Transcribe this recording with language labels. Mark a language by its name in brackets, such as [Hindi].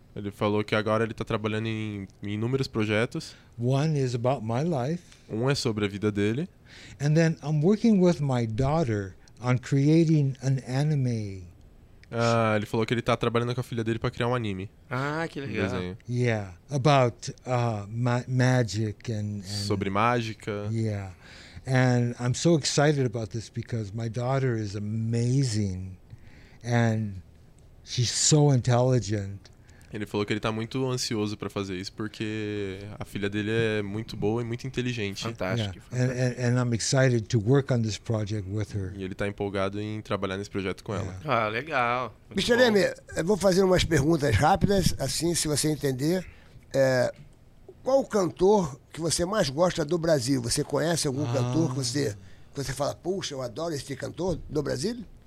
[Portuguese] Ele falou que agora ele está trabalhando em inúmeros projetos. [English] One is about my life. [Portuguese] Um é sobre a vida dele. [English] And then I'm working with my daughter on creating an anime. [Portuguese] Ele falou que ele tá trabalhando com a filha dele para criar um anime. Ah, que legal. Desenho. [English] Yeah, about magic and [Portuguese] sobre mágica. [English] Yeah. And I'm so excited about this because my daughter is amazing and she's so intelligent. [Portuguese] Ele falou que ele tá muito ansioso para fazer isso porque a filha dele é muito boa e muito inteligente. Fantástico. [English] Yeah. And I'm excited to work on this project with her. [Portuguese] E ele tá empolgado em trabalhar nesse projeto com ela. Ah, legal. Muito Mr. M, eu vou fazer umas perguntas rápidas, assim, se você entender. Qual o cantor que você mais gosta do Brasil? Você conhece algum cantor que você Quando você fala, puxa, eu adoro este cantor do Brasil?